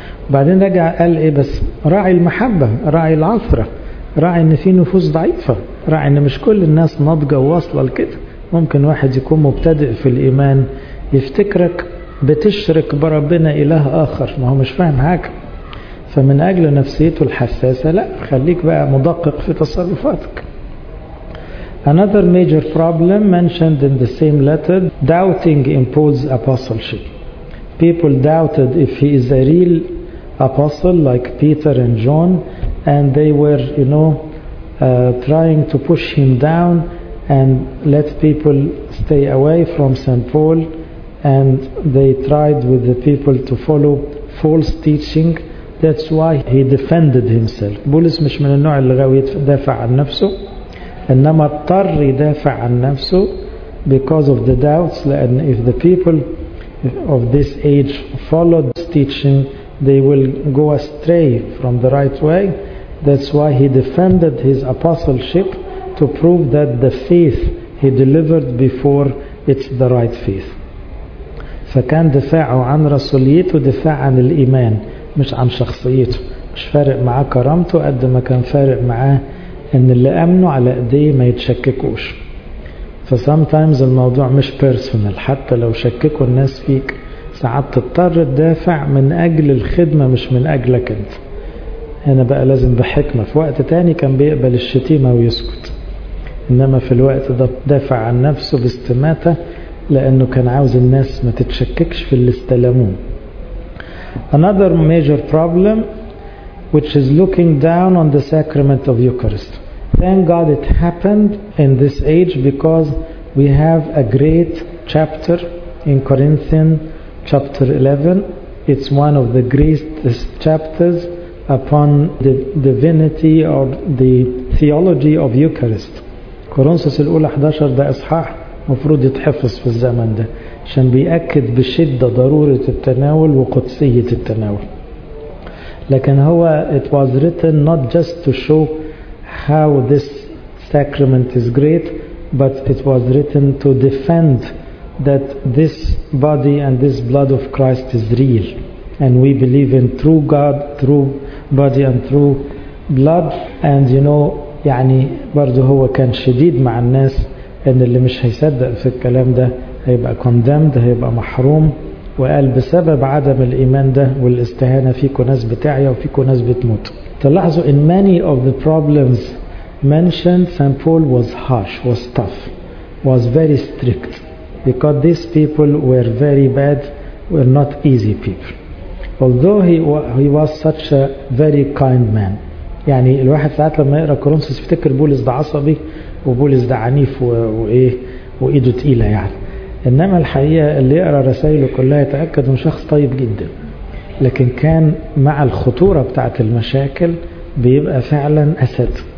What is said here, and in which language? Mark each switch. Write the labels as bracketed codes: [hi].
[ar] بعدين رجع قال ايه؟ بس راعي المحبة، راعي العثرة، راعي ان في نفوس ضعيفة، راعي ان مش كل الناس ناضجة وواصلة لكده. ممكن واحد يكون مبتدئ في الإيمان يفتكرك بتشرك بربنا إله آخر، ما هو مش فاهم حاجة. فمن أجل نفسيته الحساسة، لا خليك بقى مدقق في تصرفاتك. [en] Another major problem mentioned in the same letter: doubting imposes apostleship. People doubted if he is a real apostle like Peter and John, and they were, you know, trying to push him down and let people stay away from St. Paul, and they tried with the people to follow false teaching. That's why he defended himself. [ar] بولس مش من النوع اللي غاوي يدافع عن نفسه، إنما اضطر يدافع عن نفسه [en] because of the doubts. [ar] لأن [en] if the people of this age followed this teaching, they will go astray from the right way. That's why he defended his apostleship to prove that the faith he delivered before, it's the right faith. [ar] فكان دفاعه عن رسوليته دفاع عن الإيمان مش عن شخصيته. مش فارق معاه كرامته قد ما كان فارق معاه ان اللي امنوا على ايديه ما يتشككوش. [en] فسامتايمز [ar] الموضوع مش [en] personal, [ar] حتى لو شككوا الناس فيك ساعات تضطر تدافع من اجل الخدمة مش من اجلك انت. هنا بقى لازم بحكمة. في وقت تاني كان بيقبل الشتيمة ويسكت، انما في الوقت ده دافع عن نفسه باستماتة لانه كان عاوز الناس ما تتشككش في اللي استلموه. [en] Another major problem which is looking down on the sacrament of Eucharist. Thank God it happened in this age because we have a great chapter in Corinthians chapter 11. It's one of the greatest chapters upon the divinity or the theology of Eucharist. [ar] كورنثوس الأولى 11 ده إصحاح مفروض يتحفظ في الزمن ده عشان بيأكد بشدة ضرورة التناول وقدسية التناول. لكن هو [en] it was written not just to show how this sacrament is great, but it was written to defend that this body and this blood of Christ is real and we believe in true God, true body and true blood. And you know, [ar] يعني برضو هو كان شديد مع الناس ان اللي مش هيصدق في الكلام ده هيبقى condemned، هيبقى محروم. وقال بسبب عدم الإيمان ده والاستهانة فيكم ناس بتعيا وفيكم ناس بتموت. تلاحظوا [en] in many of the problems mentioned St. Paul was harsh, was tough, was very strict because these people were very bad, were not easy people. Although he was such a very kind man. [ar] يعني الواحد ساعات لما يقرأ كورنثوس يفتكر بولس ده عصبي وبولس ده عنيف وإيه وإيده تقيلة يعني، إنما الحقيقة اللي يقرأ رسائله كلها يتأكد من شخص طيب جدا. لكن كان مع الخطورة بتاعة المشاكل بيبقى فعلا أسد.